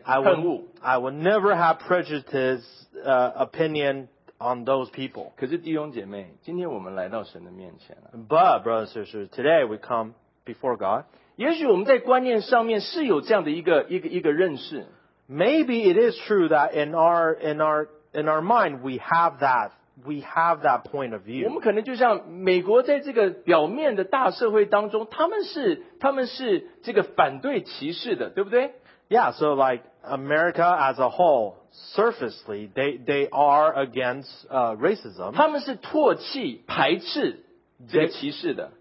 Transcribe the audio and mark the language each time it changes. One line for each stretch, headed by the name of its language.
English: I will never have prejudices, opinion, on those people.
Chinese: 可是弟兄姐妹,今天我们来到神的面前了。
English: But, brothers and sisters, today we come before God.
Chinese: 也许我们在观念上面是有这样的一个认识。
English: Maybe it is true that in our mind we have that point of view.
Chinese: 我们可能就像美国在这个表面的大社会当中,他们是这个反对歧视的,对不对?
English: Yeah, so like America as a whole, surfacely, they are against racism.
Chinese: 他们是唾弃,排斥这些歧视的。